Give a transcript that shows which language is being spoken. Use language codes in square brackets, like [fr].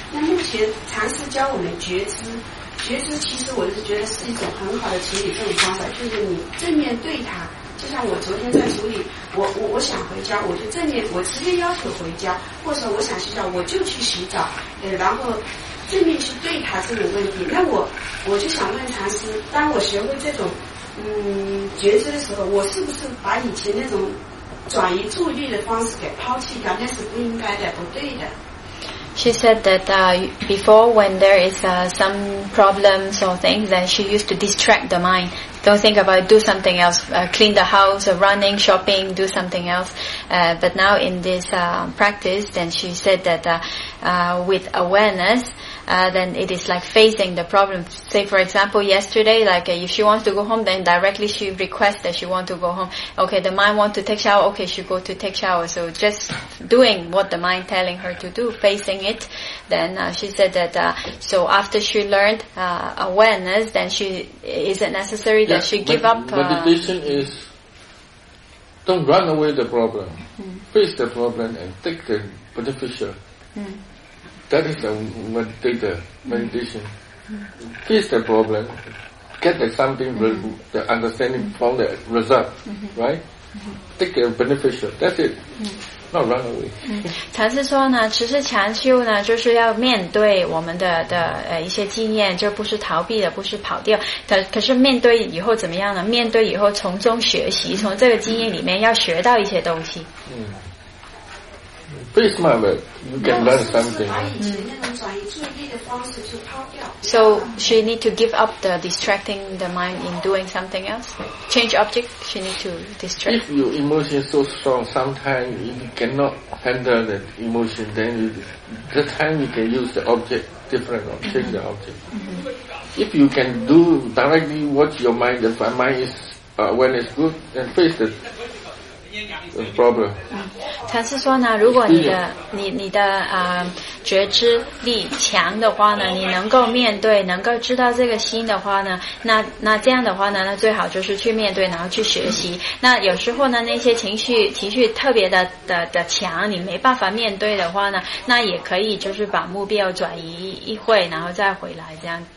[zh] 那目前禅师教我们觉知。觉知其实我是觉得是一种很好的处理这种方法，就是你正面对它，就像我昨天在处理，我想回家，我就正面，我直接要求回家，或者我想洗澡，我就去洗澡，然后正面去对它这种问题。那我就想问禅师，当我学会这种觉知的时候，我是不是把以前那种转移注意力的方式给抛弃掉？那是不应该的，不对的。 [en] She said that before, when there is some problems or things, that she used to distract the mind. Don't think about it, do something else, clean the house, running, shopping, do something else. But now in this practice, then she said that with awareness, then it is like facing the problem. Say, for example, yesterday, like if she wants to go home, then directly she requests that she wants to go home. Okay, the mind wants to take shower. Okay, she go to take shower. So just doing what the mind telling her to do, facing it. Then she said that so after she learned awareness, then she is it necessary that she give up? Meditation is don't run away the problem. Mm-hmm. Face the problem and take the beneficial. Mm-hmm. That is the meditation. Mm-hmm. Face the problem, get the something, the understanding from the result, right? Mm-hmm. Take the beneficial, that's it. Not run away. [zh] 禅师说呢，其实禅修呢，就是要面对我们的一些经验，就不是逃避的，不是跑掉。可是面对以后怎么样呢？面对以后从中学习，从这个经验里面要学到一些东西。 [en] Be smart, but you can learn something. So she need to give up the distracting the mind in doing something else? Change object? She need to distract? If your emotion is so strong, sometimes you cannot handle that emotion, then the time you can use the object different or change the object. If you can do directly watch your mind, if my mind is when it's good, then face it. [zh] 禅师说呢，如果你的觉知力强的话呢，你能够面对，能够知道这个心的话呢，那这样的话呢，那最好就是去面对，然后去学习。那有时候呢，那些情绪特别的强，你没办法面对的话呢，那也可以就是把目标转移一会，然后再回来这样。